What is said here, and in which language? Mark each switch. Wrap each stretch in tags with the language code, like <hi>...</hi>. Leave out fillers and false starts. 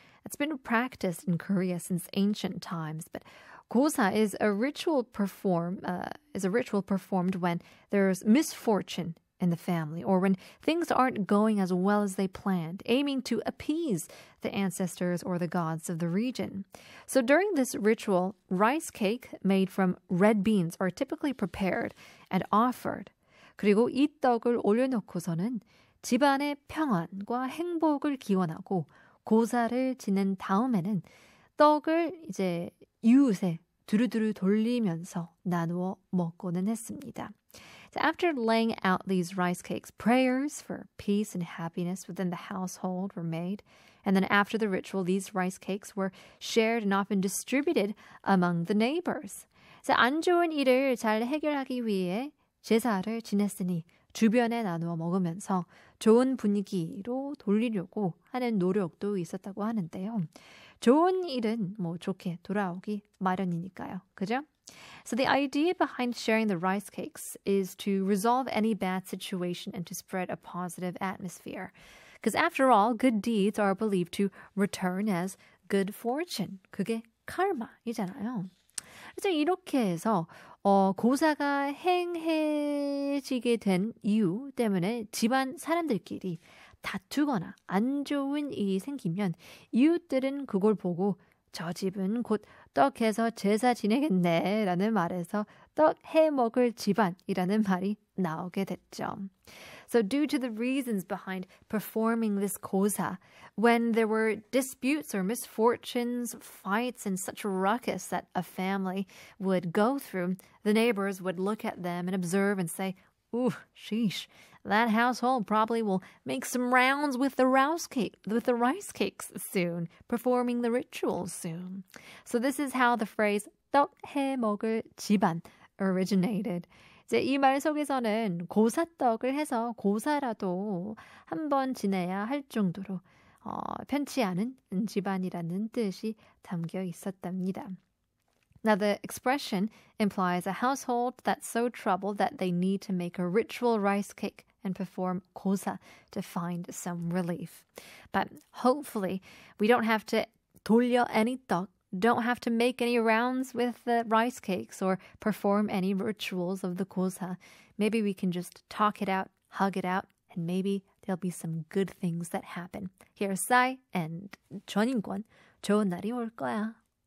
<en>It's been practiced in Korea since ancient times, but 고사 is a ritual performed when there's misfortune in the family or when things aren't going as well as they planned, aiming to appease the ancestors or the gods of the region. So during this ritual, rice cake made from red beans are typically prepared and offered.</en> <ko>그리고 이 떡을 올려놓고서는 집안의 평안과 행복을 기원하고 고사를 지낸 다음에는 떡을 이제 이웃에 두루두루 돌리면서 나누어 먹고는 했습니다.</ko> <en>So after laying out these rice cakes, prayers for peace and happiness within the household were made. And then after the ritual, these rice cakes were shared and often distributed among the neighbors.</en> <ko>So 안 좋은 일을 잘 해결하기 위해 제사를 지냈으니 주변에 나누어 먹으면서 좋은 분위기로 돌리려고 하는 노력도 있었다고 하는데요. 좋은 일은 뭐 좋게 돌아오기 마련이니까요. 그죠?</ko> <en>So the idea behind sharing the rice cakes is to resolve any bad situation and to spread a positive atmosphere. Because after all, good deeds are believed to return as good fortune.</en> <ko>그게 카르마이잖아요. 그래서 이렇게 해서 고사가 행해지게 된 이유 때문에 집안 사람들끼리 다투거나 안 좋은 일이 생기면 이웃들은 그걸 보고 저 집은 곧 떡해서 제사 지내겠네 라는 말에서 떡 해 먹을 집안이라는 말이 나오게 됐죠.</ko> <en>So due to the reasons behind performing this 고사, when there were disputes or misfortunes, fights and such ruckus that a family would go through, the neighbors would look at them and observe and say, ooh, sheesh, that household probably will make some rounds with the rice cake, with the rice cakes soon, performing the ritual soon. So this is how the phrase</en> <ko>떡 해 먹을 집안</ko> <en>originated.</en> <ko>이제 이 말 속에서는 고사떡을 해서 고사라도 한번 지내야 할 정도로 편치 않은 집안이라는 뜻이 담겨 있었답니다.</ko> <en>Now the expression implies a household that's so troubled that they need to make a ritual rice cake and perform 고사 to find some relief. But hopefully we don't have to 돌려 any 떡, don't have to make any rounds with the rice cakes or perform any rituals of the 고사. Maybe we can just talk it out, hug it out, and maybe there'll be some good things that happen. Here's Sai and</en> <ko>전인권, 좋은 날이 올 거야.</ko>